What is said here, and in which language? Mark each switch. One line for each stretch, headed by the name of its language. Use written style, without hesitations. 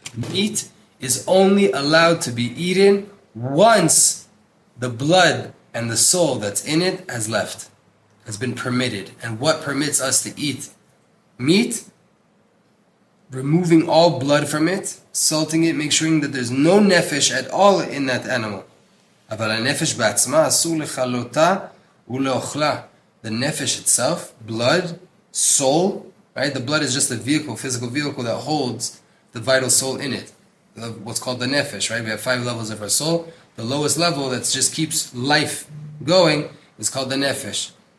English: Meat is only allowed to be eaten once the blood and the soul that's in it has left, has been permitted. And what permits us to eat meat? Removing all blood from it, salting it, making sure that there's no nefesh at all in that animal.
Hebrew: אבל הנפש בעצמה אסור לחלותה ולאוכלה.
English: The nefesh itself, blood, soul, right? The blood is just a vehicle, physical vehicle that holds the vital soul in it. What's called the nefesh, right? We have five levels of our soul. The lowest level that just keeps life going is called the nefesh.